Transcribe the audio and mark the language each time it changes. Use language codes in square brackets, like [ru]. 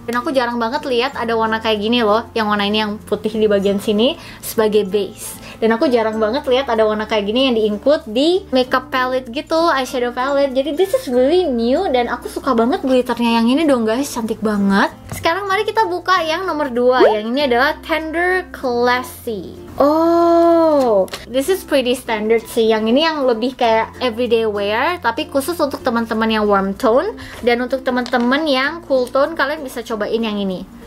[id] Dan aku jarang banget lihat ada warna kayak gini loh, yang warna ini yang putih di bagian sini sebagai base. Dan aku jarang banget lihat ada warna kayak gini yang di-include di makeup palette gitu, eyeshadow palette. Jadi [en] this is really new, [id] dan aku suka banget glitternya yang ini dong guys, cantik banget. Sekarang mari kita buka yang nomor 2, yang ini adalah Tender Classy. [en] Oh, this is pretty standard sih. [id] Yang ini yang lebih kayak everyday wear, tapi khusus untuk teman-teman yang warm tone. Dan untuk teman-teman yang cool tone, kalian bisa cobain yang ini.